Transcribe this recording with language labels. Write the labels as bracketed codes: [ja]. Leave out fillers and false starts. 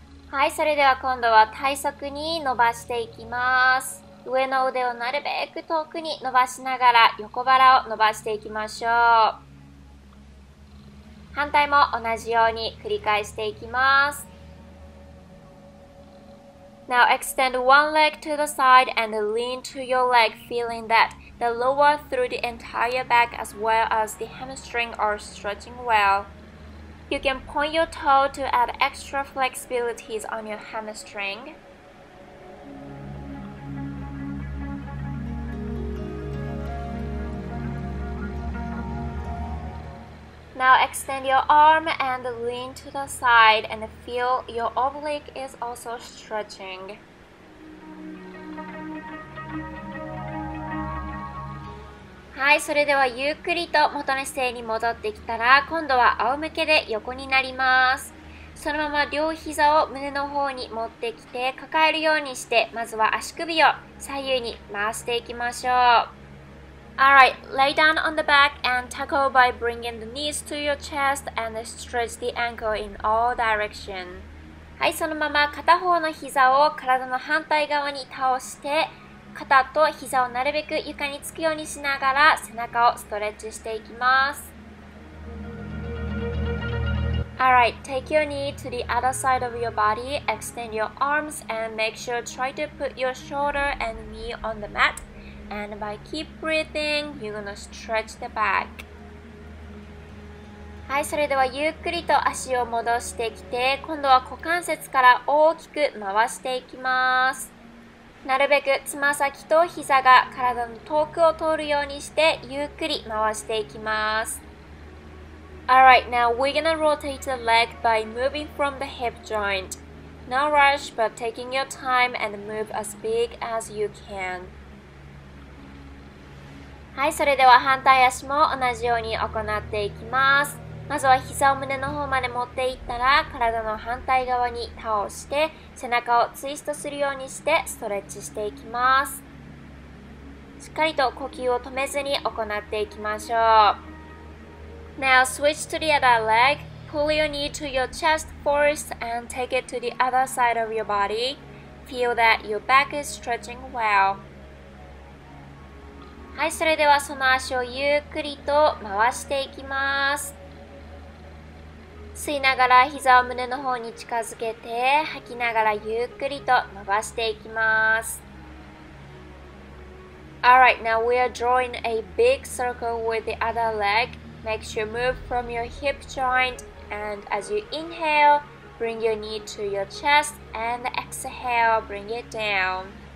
[ja] はい、それでは今度は体側に伸ばしていきます。上の腕をなるべく遠くに伸ばしながら横腹を伸ばしていきましょう。反対も同じように繰り返していきます。 [en] Now extend one leg to the side and lean to your leg, feeling that the lower through the entire back as well as the hamstring are stretching well. You can point your toe to add extra flexibilities on your hamstring. Now extend your arm and lean to the side and feel your oblique is also stretching. [ja] はい、それではゆっくりと元の姿勢に戻ってきたら、今度は仰向けで横になります。そのまま両膝を胸の方に持ってきて抱えるようにして、まずは足首を左右に回していきましょう。 [en] Alright, lay down on the back and tuck over by bringing the knees to your chest and stretch the ankle in all directions. [ja] はい、そのまま片方の膝を体の反対側に倒して、肩と膝をなるべく床につくようにしながら背中をストレッチしていきます。 [en] Alright, take your knee to the other side of your body, extend your arms and make sure try to put your shoulder and knee on the mat. And by keep breathing, you're gonna stretch the back. [ja] はい、それではゆっくりと足を戻してきて、今度は股関節から大きく回していきます。なるべくつま先と膝が体の遠くを通るようにして、ゆっくり回していきます。 [en] Alright, now we're gonna rotate the leg by moving from the hip joint. No rush, but taking your time and move as big as you can. [ja] はい、それでは反対足も同じように行っていきます。まずは膝を胸の方まで持っていったら、体の反対側に倒して、背中をツイストするようにしてストレッチしていきます。しっかりと呼吸を止めずに行っていきましょう。 [en] Now switch to the other leg, pull your knee to your chest first and take it to the other side of your body. Feel that your back is stretching well. [ja] はい、それではその足をゆっくりと回していきます。吸いながら膝を胸の方に近づけて、吐きながらゆっくりと伸ばしていきます。 [en] Alright, now we are drawing a big circle with the other leg. Make sure move from your hip joint and as you inhale, bring your knee to your chest and exhale, bring it down.